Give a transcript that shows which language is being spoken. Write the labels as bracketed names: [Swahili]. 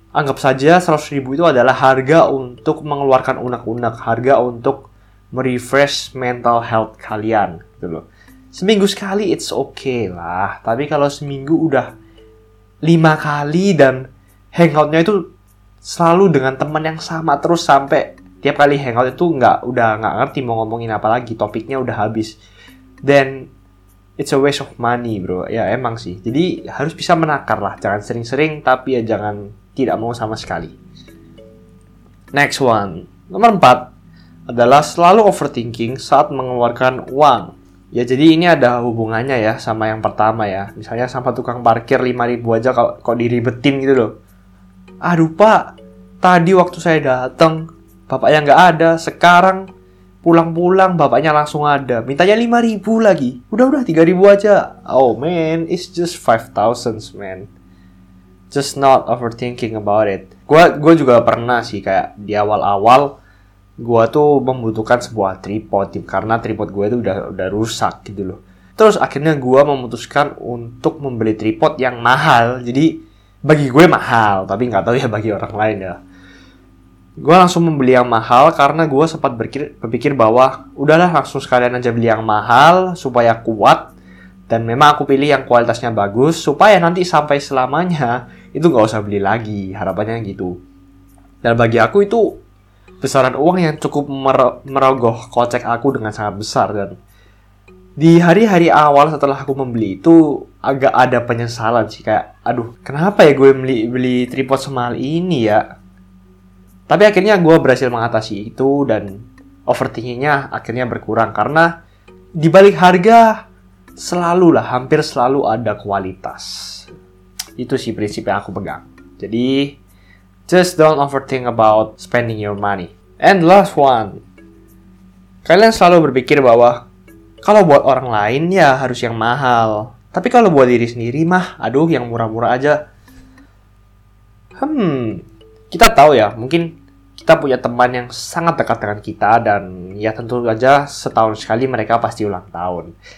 [Indonesian] Anggap saja 100.000 itu adalah harga untuk mengeluarkan unek-unek, harga untuk merefresh mental health kalian gitu loh. Seminggu sekali [English] it's okay [Indonesian] lah, tapi kalau seminggu udah 5 kali dan hangoutnya itu selalu dengan teman yang sama terus sampai tiap kali hangout itu nggak ngerti mau ngomongin apa lagi, topiknya udah habis. [English] Then it's a waste of money, bro. [Indonesian] Ya emang sih. Jadi harus bisa menakar lah, jangan sering-sering tapi ya jangan tidak mau sama sekali. Next one, nomor 4 adalah selalu overthinking saat mengeluarkan uang. Ya jadi ini ada hubungannya ya sama yang pertama ya. Misalnya sama tukang parkir 5.000 aja kok diribetin gitu loh. Aduh pak, tadi waktu saya datang bapaknya nggak ada, sekarang pulang-pulang bapaknya langsung ada. Mintanya 5.000 lagi. Udah 3.000 aja. [English] Oh man, it's just 5,000 man. Just not overthinking about it. [Indonesian] Gua juga pernah sih kayak di awal-awal gua tuh membutuhkan sebuah tripod karena tripod gua itu udah rusak gitu loh. Terus akhirnya gua memutuskan untuk membeli tripod yang mahal. Jadi bagi gue mahal, tapi enggak tahu ya bagi orang lain ya. Gua langsung membeli yang mahal karena gua sempat berpikir bahwa udahlah langsung sekalian aja beli yang mahal supaya kuat. Dan memang aku pilih yang kualitasnya bagus supaya nanti sampai selamanya itu gak usah beli lagi, harapannya gitu. Dan bagi aku itu besaran uang yang cukup merogoh kocek aku dengan sangat besar. Dan di hari-hari awal setelah aku membeli itu agak ada penyesalan sih, kayak aduh kenapa ya gue beli tripod semahal ini ya. Tapi akhirnya gue berhasil mengatasi itu dan overthinkingnya akhirnya berkurang karena di balik harga selalu lah, hampir selalu ada kualitas. Itu sih prinsip yang aku pegang. Jadi, [English] just don't overthink about spending your money. [Indonesian] And last one, kalian selalu berpikir bahwa kalau buat orang lain ya harus yang mahal, tapi kalau buat diri sendiri mah, aduh yang murah-murah aja. Kita tahu ya, mungkin kita punya teman yang sangat dekat dengan kita dan ya tentu saja setahun sekali mereka pasti ulang tahun.